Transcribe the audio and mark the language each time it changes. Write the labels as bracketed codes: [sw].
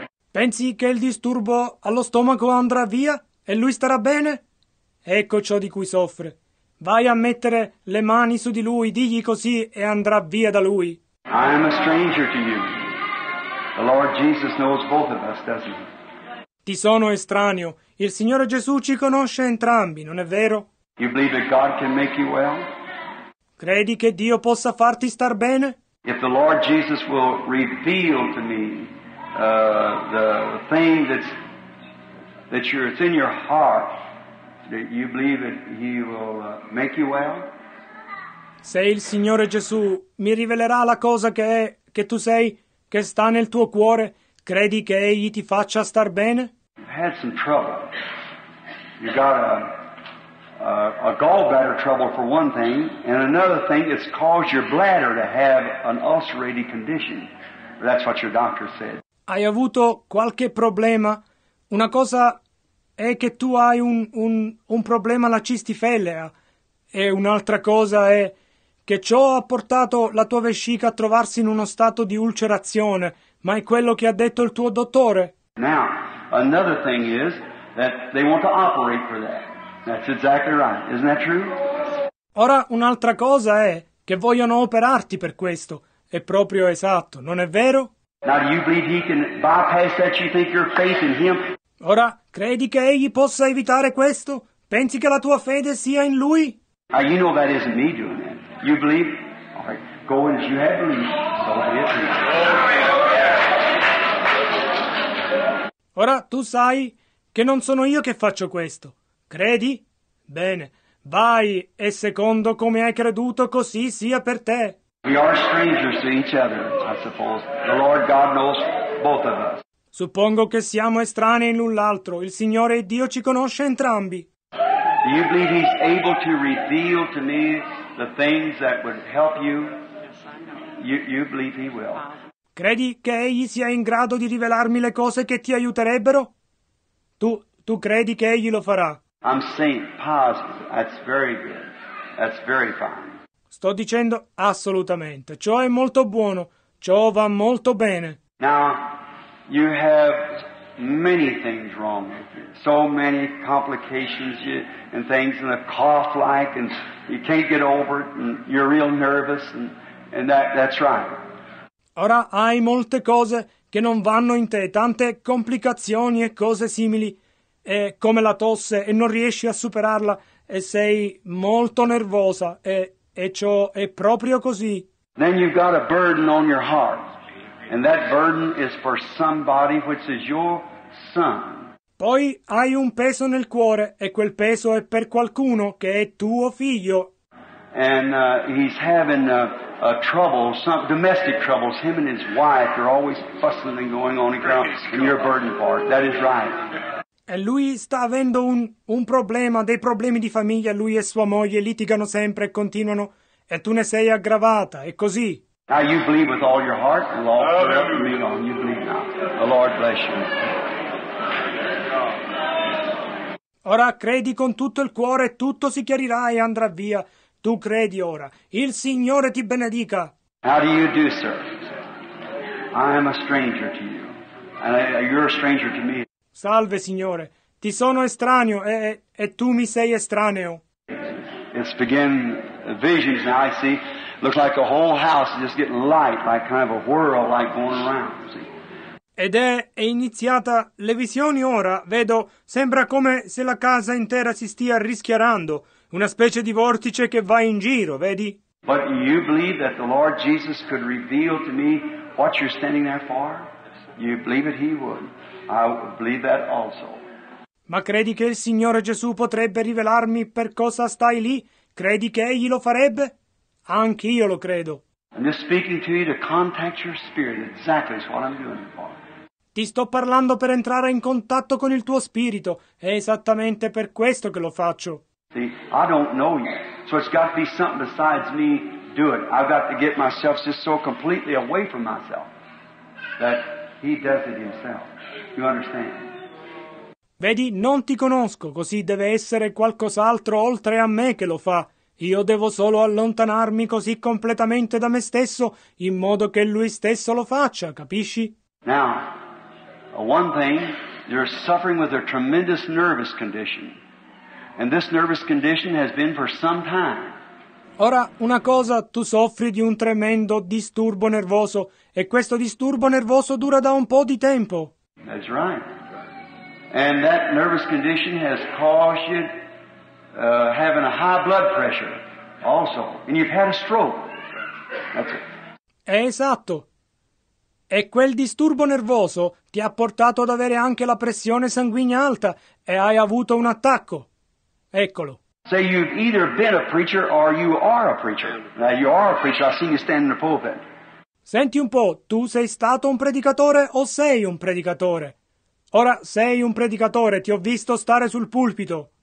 [it] Pensi che il disturbo allo stomaco andrà via e lui starà bene? Ecco ciò di cui soffre. Vai a mettere le mani su di lui, digli così e andrà via da lui. [en] I am a stranger to you. The Lord Jesus knows both of us, doesn't he? [it] Ti sono estraneo. Il Signore Gesù ci conosce entrambi, non è vero? [en] You believe that God can make you well? [it] Credi che Dio possa farti star bene? [en] If the Lord Jesus will reveal to me the thing that's in your heart, that you believe that he will make you well? [it] Se il Signore Gesù mi rivelerà la cosa che è, che tu sei, che sta nel tuo cuore, credi che egli ti faccia star bene? [en] You've had some trouble. You got a gallbladder trouble for one thing, and another thing, it's caused your bladder to have an ulcerated condition. That's what your doctor said. [it] Hai avuto qualche problema? Una cosa è che tu hai un problema alla cistifellea, e un'altra cosa è che ciò ha portato la tua vescica a trovarsi in uno stato di ulcerazione, ma è quello che ha detto il tuo dottore. [en] Now, another thing is that they want to operate for that. That's exactly right. Isn't that true? [it] Ora, un'altra cosa è che vogliono operarti per questo. È proprio esatto, non è vero? [en] Now, do you believe he can bypass that? You think your faith in him? [it] Ora, credi che egli possa evitare questo? Pensi che la tua fede sia in lui? [en] Now, you know that isn't me doing that. You believe? All right. Go in as you have believed. So be it. [it] Ora, tu sai che non sono io che faccio questo. Credi? Bene. Vai, e secondo come hai creduto, così sia per te. [en] We are strangers to each other, I suppose. The Lord God knows both of us. [it] Suppongo che siamo estranei l'un l'altro. Il Signore Dio ci conosce entrambi. [en] Do you believe He's able to reveal to me the things that would help you? You believe He will. [it] Credi che Egli sia in grado di rivelarmi le cose che ti aiuterebbero? Tu credi che Egli lo farà? [en] I'm saying positive. That's very good. That's very fine. [it] Sto dicendo assolutamente. Ciò è molto buono. Ciò va molto bene. [en] Now, you have many things wrong with you. So many complications and things and a cough like and you can't get over it and you're real nervous and that's right. [it] Ora hai molte cose che non vanno in te, tante complicazioni e cose simili, come la tosse, e non riesci a superarla, e sei molto nervosa, e ciò è proprio così. [en] Then you've got a burden on your heart, and that burden is for somebody which is your son. [it] Poi hai un peso nel cuore, e quel peso è per qualcuno che è tuo figlio. [en] And he's having trouble, some domestic troubles. Him and his wife are always fussing and going on and around. And your burden part, that is right. [it] E lui sta avendo un problema, dei problemi di famiglia. Lui e sua moglie litigano sempre e continuano. E tu ne sei aggravata. È così. [en] Now you believe with all your heart. The Lord forever be on you. Believe now. The Lord bless you. [it] Ora credi con tutto il cuore. Tutto si chiarirà e andrà via. Tu credi ora. Il Signore ti benedica. [en] How do you do, sir? I am a stranger to you. And you're a stranger to me. [it] Salve, Signore. Ti sono estraneo e tu mi sei estraneo. [en] It's beginning visions now, I see. Looks like a whole house is just getting light, like kind of a whirl, like going around, see. [it] Ed è iniziata le visioni ora. Vedo, sembra come se la casa intera si stia rischiarando. Una specie di vortice che va in giro, vedi? [en] But you believe that the Lord Jesus could reveal to me what you're standing there for? You believe it? He would. I believe that also. [it] Ma credi che il Signore Gesù potrebbe rivelarmi per cosa stai lì? Credi che Egli lo farebbe? Anch'io lo credo. [en] I'm just speaking to you to contact your spirit. Exactly is what I'm doing for. [it] Ti sto parlando per entrare in contatto con il tuo spirito. È esattamente per questo che lo faccio. [en] See, I don't know you, so it's got to be something besides me do it. I've got to get myself just so completely away from myself that he does it himself. You understand? [it] Vedi, non ti conosco, così deve essere qualcos'altro oltre a me che lo fa. Io devo solo allontanarmi così completamente da me stesso in modo che lui stesso lo faccia, capisci? [en] Now, one thing, you're suffering with a tremendous nervous condition. And this nervous condition has been for some time. [it] Ora, una cosa, tu soffri di un tremendo disturbo nervoso, e questo disturbo nervoso dura da un po' di tempo. [en] That's right. And that nervous condition has caused you having a high blood pressure also. And you've had a stroke. That's it. [it] È esatto. E quel disturbo nervoso ti ha portato ad avere anche la pressione sanguigna alta, e hai avuto un attacco. Eccolo. [en] Say you've either been a preacher or you are a preacher. Now you are a preacher. I've seen you stand in the pulpit. [it] Senti un po', tu sei stato un predicatore o sei un predicatore? Ora sei un predicatore, ti ho visto stare sul pulpito.